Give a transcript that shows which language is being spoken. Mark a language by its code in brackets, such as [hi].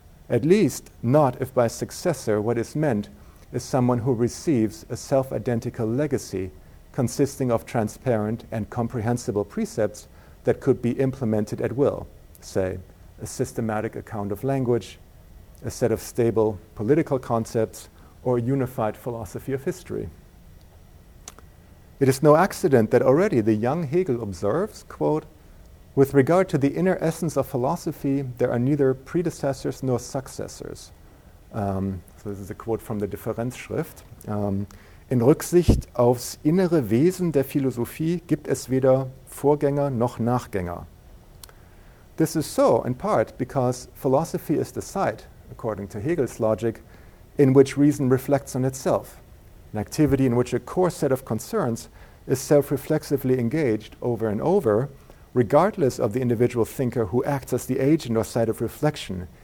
[en] At least not if by successor what is meant is someone who receives a self-identical legacy consisting of transparent and comprehensible precepts that could be implemented at will, say, a systematic account of language, a set of stable political concepts, or a unified philosophy of history. It is no accident that already the young Hegel observes, quote, with regard to the inner essence of philosophy, there are neither predecessors nor successors. So this is a quote from the Differenzschrift. [de] In Rücksicht aufs innere Wesen der Philosophie gibt es weder Vorgänger noch Nachgänger. [en] This is so, in part, because philosophy is the site, according to Hegel's logic, in which reason reflects on itself, an activity in which a core set of concerns is self-reflexively engaged over and over, regardless of the individual thinker who acts as the agent or site of reflection